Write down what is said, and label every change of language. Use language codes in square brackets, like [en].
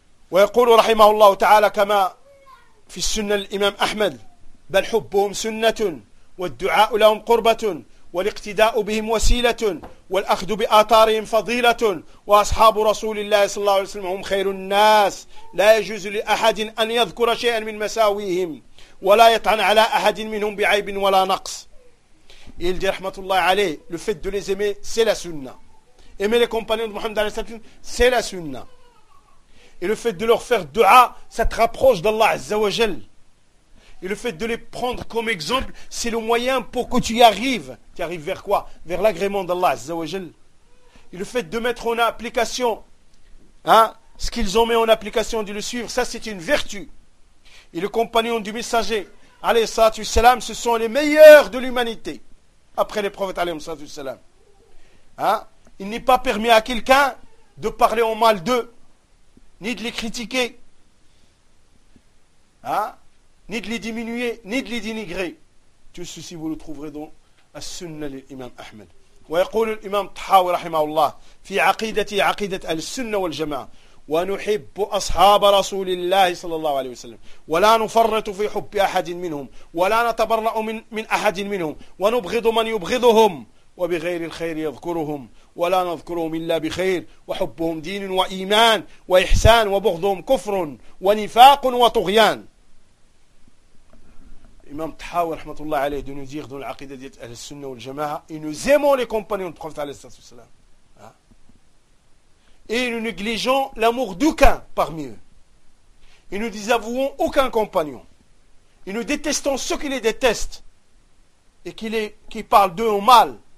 [ar] ويقول رحمه الله تعالى كما في السنة الإمام أحمد بل حبهم سنة والدعاء لهم قربة والاقتداء بهم وسيلة والأخذ بآثارهم فضيلة وأصحاب رسول الله صلى الله عليه وسلم هم خير الناس لا يجوز لأحد أن يذكر شيئا من مساويهم ولا يطعن على أحد منهم بعيب ولا نقص. [fr] Il dit رحمة الله عليه le fait de les aimer c'est la sunna. Aimer les compagnons de Mohammed عليه الصلاة والسلام c'est la sunna. Et le fait de leur faire dua, ça te rapproche d'Allah Azza wa Jal. Et le fait de les prendre comme exemple, c'est le moyen pour que tu y arrives. Tu arrives vers quoi? Vers l'agrément d'Allah Azza wa Jal. Et le fait de mettre en application ce qu'ils ont mis en application, de le suivre, ça c'est une vertu. Et le compagnon du messager, alayhi salatu salam, ce sont les meilleurs de l'humanité. Après les prophètes, alayhi salatu salam. Il n'est pas permis à quelqu'un de parler en mal d'eux, ni de les critiquer, hein, ni de les diminuer, ni de les dénigrer. Tout ceci, vous le trouverez dans la sunna de l'imam Ahmed. [ar] ويقول الإمام الطحاوي رحمه الله في عقيدتي عقيدة السنة والجماعة ونحب أصحاب رسول الله صلى الله عليه وسلم ولا نفرط في حب أحد منهم ولا نتبرأ من أحد منهم ونبغض من يبغضهم وبغير الخير يذكرهم ولا نذكرهم إلا بخير وحبهم دين وإيمان وإحسان وبغضهم كفر ونفاق وطغيان. [fr] Imam Tahawi, rahmatullah alayhi, de nous dire dans l'aqidah dite al-sunna ou al-jama'a, et nous aimons les compagnons du prophète alayhi sallam. Et nous négligeons l'amour d'aucun parmi eux. Et nous désavouons aucun compagnon. Et nous détestons ceux qui les détestent. Et qui parlent d'eux au mal.